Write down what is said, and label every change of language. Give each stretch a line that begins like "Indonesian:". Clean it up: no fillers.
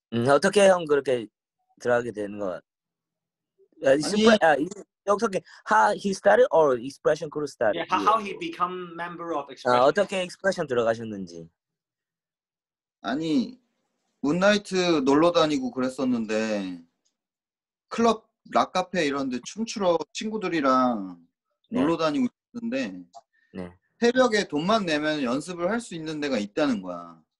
Korean: 어떻게 형 그렇게 들어가게 되는 거? 어떻게
English: how he started or Expression crew started? Yeah, how he become member of Expression.
Korean: 어떻게 Expression 들어가셨는지. 아니, 문나이트 놀러 다니고 그랬었는데 클럽 락 카페 이런 데 춤추러 친구들이랑 놀러 다니고 있었는데 새벽에 돈만 내면 연습을 할 수 있는 데가 있다는 거야.